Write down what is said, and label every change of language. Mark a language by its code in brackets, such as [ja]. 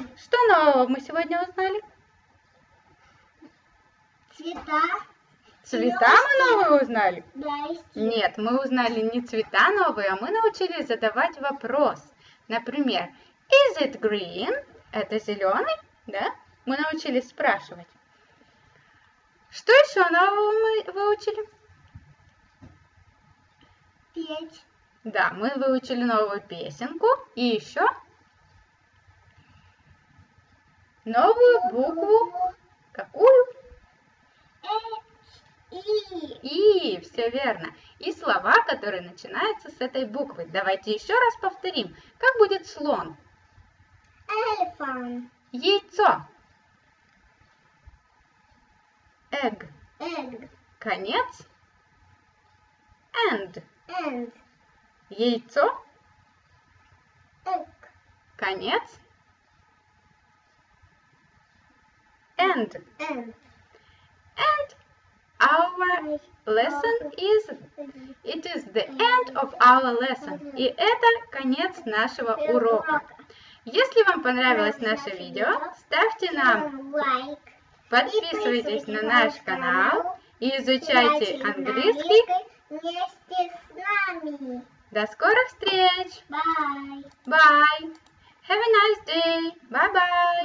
[ru] Что нового мы сегодня узнали? Цвета. Цвета мы новые узнали? Да. Нет, мы узнали не цвета новые, а мы научились задавать вопрос. Например, [en] is it green? [ru] Это зеленый, да? Мы научились спрашивать. Что еще нового мы выучили? Петь. Да, мы выучили новую песенку и еще новую букву. Какую? И. И, все верно. И слова, которые начинаются с этой буквы. Давайте еще раз повторим. Как будет слон? [en] Elephant. [ru] Яйцо. [en] Egg. Egg. [ru] Конец. [en] End. End. [ru] Яйцо. [en] Egg. [ru] Конец. [en] End. End. And our lesson is... It is the end of our lesson. [ru] И это конец нашего урока. Если вам понравилось наше видео, ставьте нам лайк. Подписывайтесь на наш канал и изучайте английский вместе с нами. До скорых встреч! [en] Bye! Bye! Have a nice day! Bye-bye!